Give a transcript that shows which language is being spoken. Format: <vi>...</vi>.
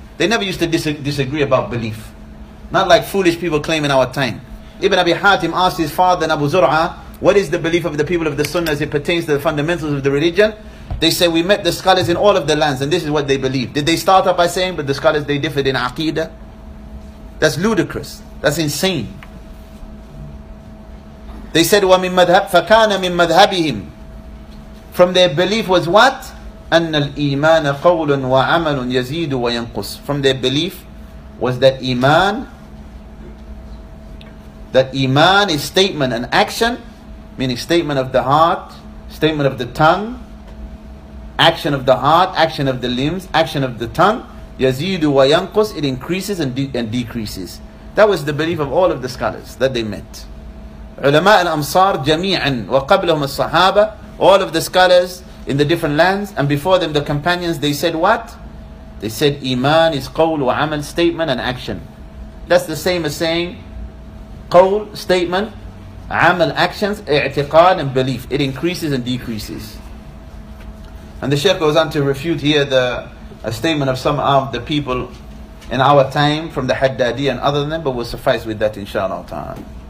<en>They never used to disagree about belief. Not like foolish people claim in our time. Ibn Abi Hatim asked his father, Abu Zur'a, what is the belief of the people of the Sunnah as it pertains to the fundamentals of the religion? They say, we met the scholars in all of the lands, and this is what they believe. Did they start up by saying, but the scholars, they differed in aqeedah? That's ludicrous. That's insane.</en> <ar>They said, وَمِن مَذْهَبْ فَكَانَ مِن مَذْهَبِهِمْ.</ar> <en>From their belief was what?</en> <ar>أَنَّ الْإِيمَانَ قَوْلٌ وَعَمَلٌ يَزِيدُ وَيَنْقُصُ.</ar> <en>From their belief was that iman, that iman is statement and action, meaning statement of the heart, statement of the tongue, action of the heart, action of the limbs, action of the tongue,</en> <ar>يَزِيدُ وَيَنْقُصُ,</ar> <en>it increases and decreases. That was the belief of all of the scholars that they met.</en> <ar>علماء الأمصار جميعا وقبلهم الصحابة.</ar> <en>All of the scholars in the different lands and before them the companions, they said what? They said iman is qawl wa amal, statement and action. That's the same as saying qawl, statement, amal, actions, i'tiqad and belief. It increases and decreases. And the Shaykh goes on to refute here a statement of some of the people in our time from the Haddadi and other than them, but we'll suffice with that inshallah ta'ala.</en>